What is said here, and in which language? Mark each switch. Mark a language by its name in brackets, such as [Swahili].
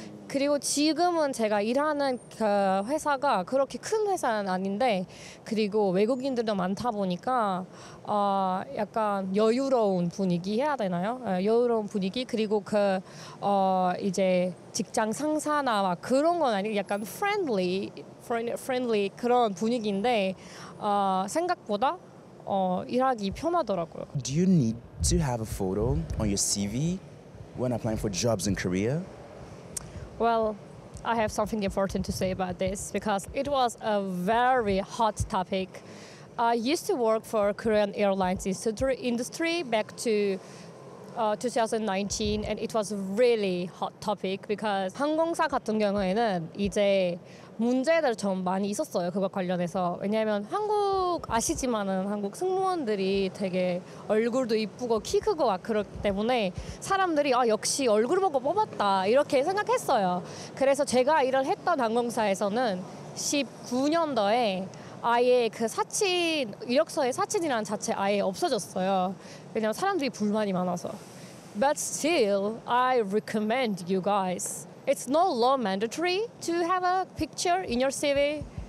[Korean] 그리고 지금은 제가 일하는 그 회사가 그렇게 큰 회사는 아닌데 그리고 외국인들도 많다 보니까 약간 여유로운 분위기 해야 되나요? 여유로운 분위기 그리고 그 이제 직장 상사나 막 그런 건 아니고 약간 friendly 그런 분위기인데 생각보다 일하기 편하더라고요. [English] Do you need to have a photo on your CV when applying for jobs in Korea? Well, I have something important to say about this because it was a very hot topic. I used to work for Korean Airlines industry back to 2019 and it was a really hot topic because [Korean] 항공사 같은 경우에는 이제 문제들 좀 많이 있었어요. 그거 관련해서. 왜냐면 한국 아시지만은 한국 승무원들이 되게 얼굴도 이쁘고 키 크고 막 그렇기 때문에 사람들이 역시 얼굴 보고 뽑았다. 이렇게 생각했어요. 그래서 제가 일을 했던 항공사에서는 19년도에 아예 그 사진, 이력서의 사진이라는 자체 아예 없어졌어요. 왜냐면 사람들이 불만이 많아서. [English] But still, I recommend you guys. It's no law mandatory to have a picture in your CV.